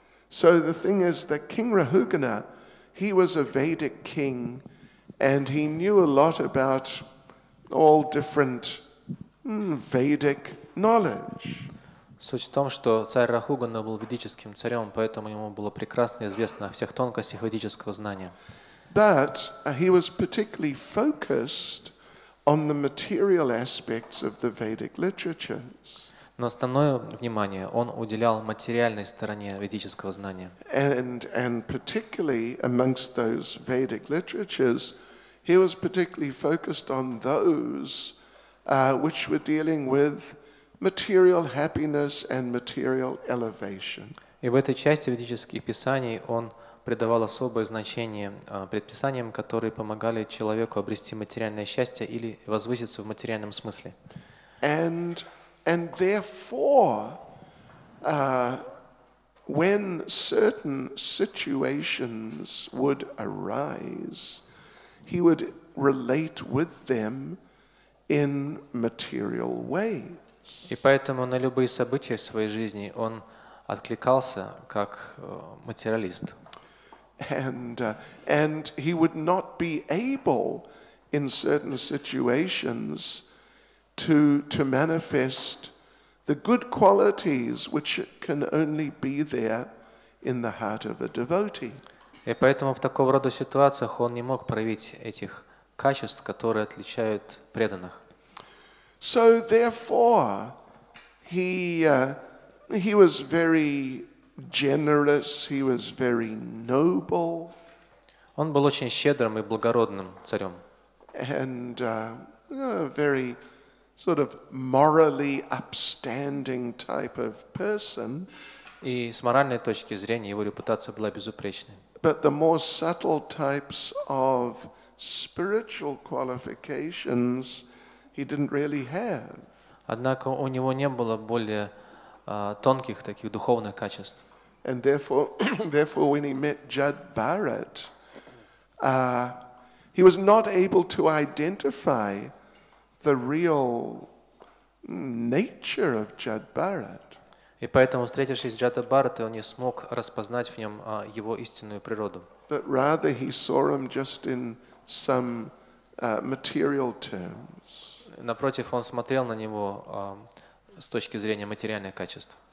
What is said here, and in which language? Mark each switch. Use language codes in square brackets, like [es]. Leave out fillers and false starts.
[en] So the thing is that King Rahugana, he was a Vedic king and he knew a lot about all different Vedic knowledge. [ru] Суть в том, что царь Рахугана был ведическим царем, поэтому ему было прекрасно известно о всех тонкостях ведического знания. [en] But he was particularly focused on the material aspects of the Vedic literatures. [ru] Но основное внимание он уделял материальной стороне ведического знания. [en] And particularly amongst those Vedic literatures, he was particularly focused on those which were dealing with material happiness and material elevation. [ru] И в этой части ведических писаний он придавал особое значение предписаниям, которые помогали человеку обрести материальное счастье или возвыситься в материальном смысле. [en] And therefore, when certain situations would arise, he would relate with them in material ways. [ru] И поэтому на любые события в своей жизни он откликался как материалист. [en] And he would not be able in certain situations to manifest the good qualities which can only be there in the heart of a devotee. [ru] И поэтому в такого рода ситуациях он не мог проявить этих качеств, которые отличают преданных. [en] So therefore he was very generous, he was very noble. [ru] Он был очень щедрым и благородным царем. [en] And very sort of morally upstanding type of person. [ru] И с моральной точки зрения его репутация была безупречной. [en] But the more subtle types of spiritual qualifications he didn't really have. [ru] Однако у него не было более тонких таких духовных качеств. [en] And therefore when he met Judd Barrett, he was not able to identify the real nature of Judd Barrett. [ru] И поэтому, встретившись с Джадом Барреттом, он не смог распознать в нем его истинную природу. [en] But rather he saw him just in some material terms. [ru] Напротив, он смотрел на него с точки зрения материальных качеств.